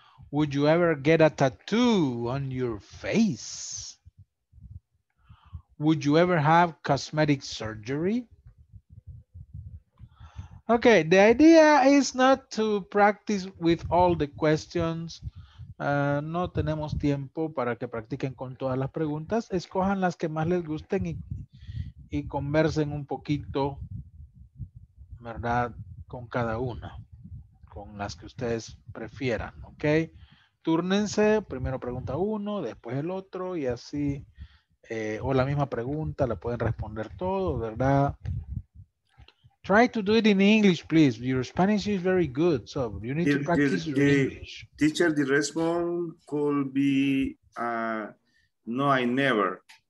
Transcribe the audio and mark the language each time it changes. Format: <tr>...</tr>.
<en>Would you ever get a tattoo on your face? Would you ever have cosmetic surgery? Okay, the idea is not to practice with all the questions.</en> <es>No tenemos tiempo para que practiquen con todas las preguntas. Escojan las que más les gusten y conversen un poquito, ¿verdad? Con cada una, con las que ustedes prefieran, ¿ok? Túrnense, primero pregunta uno, después el otro y así, o la misma pregunta, la pueden responder todo, ¿verdad?</es> <en>Try to do it in English, please. Your Spanish is very good, so you need to practice your English. Teacher, the response could be, no, I never.</en>